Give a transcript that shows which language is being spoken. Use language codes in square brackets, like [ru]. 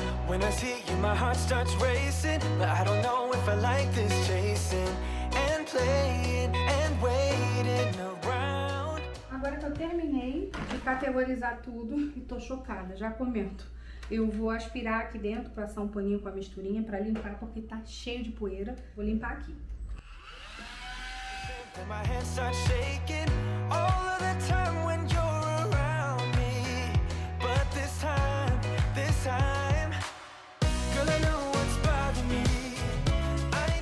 [en] When I see you, my heart starts racing. But I don't know if I like this chasing and playing and waiting around. [pt] Agora que eu terminei de categorizar tudo e tô chocada, já comento. Eu vou aspirar aqui dentro, passar um paninho com a misturinha pra limpar, porque tá cheio de poeira. Vou limpar aqui. [en] And my hands start shaking all of the time when you're around me. But this time, this time, girl, I know what's bothering me.